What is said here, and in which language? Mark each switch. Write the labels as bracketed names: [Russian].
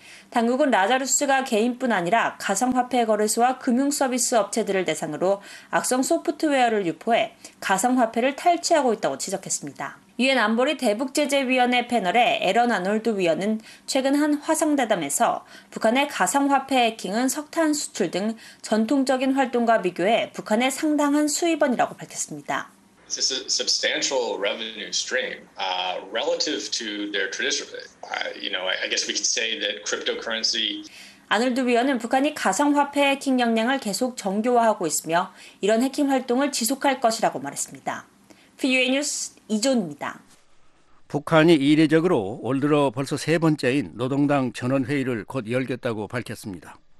[Korean] 당국은 라자루스가 개인뿐 아니라 가상화폐 거래소와 금융서비스 업체들을 대상으로 악성 소프트웨어를 유포해 가상화폐를 탈취하고 있다고 지적했습니다. 유엔 안보리 대북제재위원회 패널의 에런 아놀드 위원은 최근 한 화상대담에서 북한의 가상화폐 해킹은 석탄 수출 등 전통적인 활동과 비교해 북한의 상당한 수입원이라고 밝혔습니다. [English] It's a substantial revenue stream relative to their traditional. You know, I guess we could say that cryptocurrency. [Korean] 아놀드 위원은 북한이 가상화폐 해킹 역량을 계속 정교화하고 있으며 이런 해킹 활동을 지속할 것이라고 말했습니다. VOA 뉴스 이존입니다. 북한이 이례적으로 올 들어 벌써 세 번째인 노동당 전원회의를 곧 열겠다고 밝혔습니다.